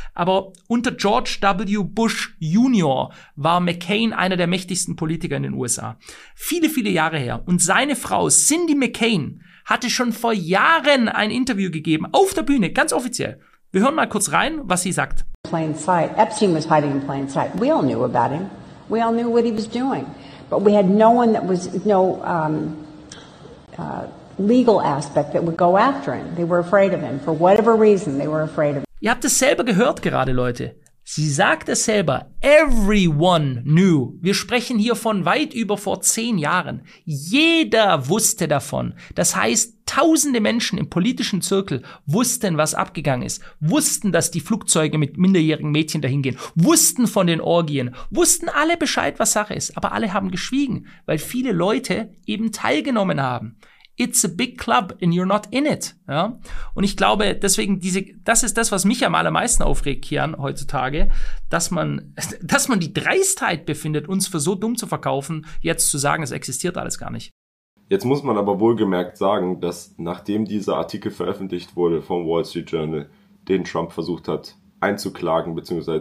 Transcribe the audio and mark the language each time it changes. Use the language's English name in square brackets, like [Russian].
[German] Aber unter George W. Bush Jr. war McCain einer der mächtigsten Politiker in den USA. Viele, viele Jahre her. Und seine Frau, Cindy McCain, hatte schon vor Jahren ein Interview gegeben, auf der Bühne, ganz offiziell. Wir hören mal kurz rein, was sie sagt. [English] Plain sight. Epstein was hiding in plain sight. We all knew about him. We all knew what he was doing. But we had no one that was, legal aspect that would go after him. They were afraid of him. For whatever reason, they were afraid of him. [German] Ihr habt es selber gehört gerade, Leute. Sie sagt es selber. Everyone knew. Wir sprechen hier von weit über vor 10 Jahren. Jeder wusste davon. Das heißt, tausende Menschen im politischen Zirkel wussten, was abgegangen ist. Wussten, dass die Flugzeuge mit minderjährigen Mädchen dahin gehen. Wussten von den Orgien. Wussten alle Bescheid, was Sache ist. Aber alle haben geschwiegen, weil viele Leute eben teilgenommen haben. [English] It's a big club and you're not in it. [German] Ja? Und ich glaube, deswegen das ist das, was mich am allermeisten aufregt, Kian, heutzutage, dass man die Dreistheit befindet, uns für so dumm zu verkaufen, jetzt zu sagen, es existiert alles gar nicht. Jetzt muss man aber wohlgemerkt sagen, dass nachdem dieser Artikel veröffentlicht wurde vom Wall Street Journal, den Trump versucht hat einzuklagen bzw.